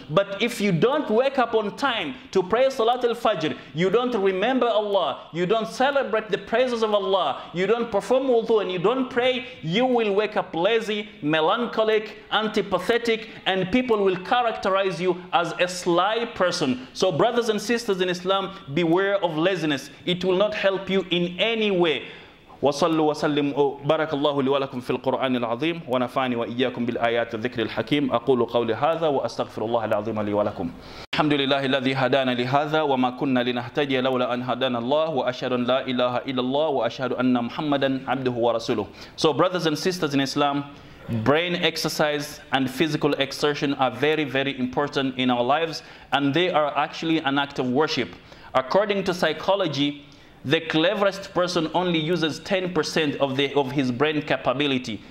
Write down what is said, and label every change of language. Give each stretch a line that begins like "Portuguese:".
English: But if you don't wake up on time to pray Salat al-Fajr, you don't remember Allah, you don't celebrate the praises of Allah, you don't perform wudu and you don't pray, you will wake up lazy, melancholic, antipathetic, and people will characterize you as a sly person. So brothers and sisters in Islam, beware of laziness. It will not help you in any way.
Arabic: وصلوا وسلموا بارك الله لي ولكم في القرآن العظيم ونفعني وإياكم بالآيات الذكر الحكيم أقول قولي هذا وأستغفر الله العظيم لي ولكم. الحمد لله الذي هدانا لهذا وما كنا لنهتدي لولا أن هدانا الله وأشهد أن لا إله إلا الله وأشهد أن محمدا عبده ورسوله.
English: So brothers and sisters in Islam, brain exercise and physical exertion are very, very important in our lives and they are actually an act of worship. According to psychology, the cleverest person only uses 10% of his brain capability.